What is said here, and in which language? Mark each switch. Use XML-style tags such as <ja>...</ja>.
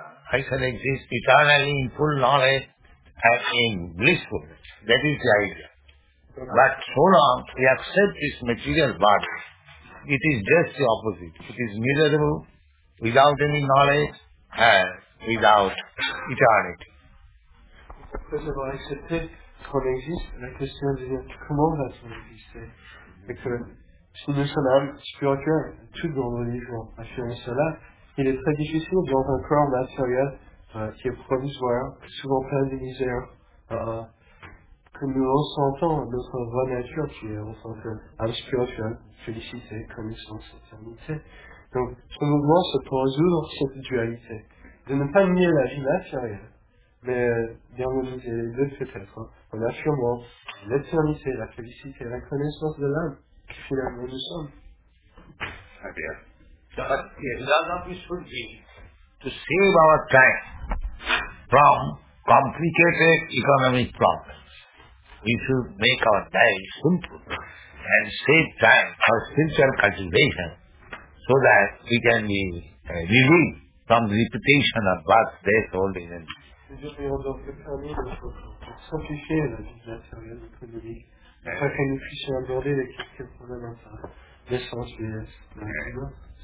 <en>I shall exist eternally in full knowledge and in blissfulness. That is the idea. But so long we accept this material body, it is just the opposite. It is miserable, without any knowledge, and without eternity.</en> <fr>Qu'on existe, la question est comment va-t-on exister? Et que si nous sommes âmes spirituelles, toutes dans nos livres affirment cela, il est très difficile dans un corps matériel qui est provisoire, souvent plein de misère, que nous ressentons notre vraie nature qui est en tant qu'âme spirituelle, félicité, connaissance, éternité. Donc, ce mouvement, c'est pour résoudre cette dualité, de ne pas nier la vie matérielle. Mais bien nous les deux peut-être, hein, en affirmant l'éternité, la félicité, la connaissance de l'âme qui finalement nous sommes. Très bien.</fr> <en>To save our time from complicated economic problems. We should make our time simple and save time for spiritual cultivation so that we can be relieved from the repetition of birth, death, old age.</en> <fr>Nous aurions donc le permis de simplifier la vie matérielle économique afin que nous puissions aborder les questions fondamentales, l'essence, vieillesse, la vie.</fr>